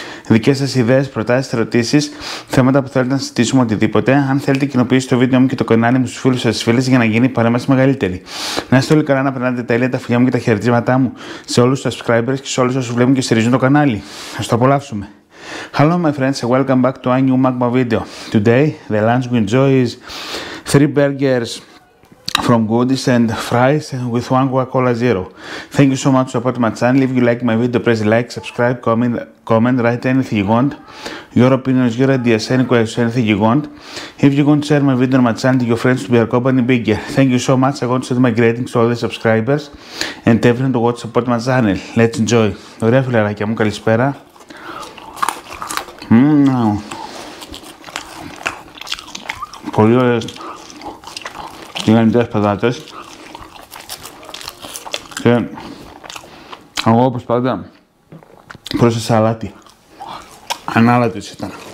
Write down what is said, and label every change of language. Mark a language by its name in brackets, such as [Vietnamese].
[Greek] Δικές σας ιδέες, προτάσεις, ερωτήσεις, θέματα που θέλετε να συζητήσουμε, οτιδήποτε. Αν θέλετε κοινοποιήστε το βίντεο μου και το κανάλι μου στους φίλους σας, φίλες, για να γίνει η παρέμβαση μεγαλύτερη. Να είστε όλοι καλά, να περνάτε τέλεια, τα φιλιά μου και τα χαιρετήματά μου σε όλους τους subscribers και σε όλους όσους βλέπουν και στηρίζουν το κανάλι. Ας το απολαύσουμε. [English] Hello my friends and welcome back to a new Magma video. Today the lunch we enjoy is 3 burgers from goodies and fries with 1 Coca-Cola Zero. Thank you so much for supporting my channel. If you like my video, press like, subscribe, comment, write anything you want. Your opinions, your ideas, any questions, anything you want. If you want to share my video on my channel to your friends to be our company bigger. Thank you so much. I want to send my greetings to all the subscribers and everyone to watch support my channel. Let's enjoy. [Greek] Ωραία φιλαράκια μου, καλησπέρα. Πολύ ωραίες τηγανιτές πατάτες και εγώ όπως πάντα πρόσθεσα αλάτι. Ανάλατες ήταν.